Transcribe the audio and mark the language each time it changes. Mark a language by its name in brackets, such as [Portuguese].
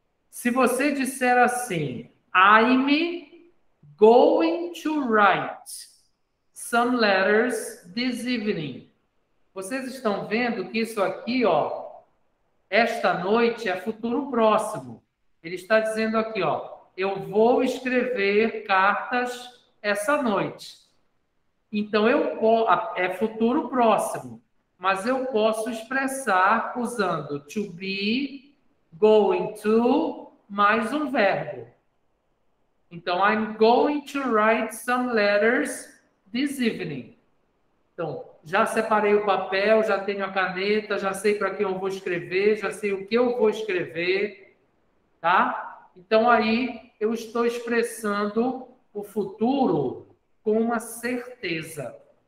[Portuguese] Se você disser assim, [English] I'm going to write some letters this evening. [Portuguese] Vocês estão vendo que isso aqui, ó, esta noite é futuro próximo. Ele está dizendo aqui, ó, eu vou escrever cartas essa noite. Então, é futuro próximo. mas eu posso expressar usando to be, going to, mais um verbo. [English] Então, I'm going to write some letters this evening. [Portuguese] Então, já separei o papel, já tenho a caneta, já sei para quem eu vou escrever, já sei o que eu vou escrever, tá? Então, aí eu estou expressando o futuro com uma certeza.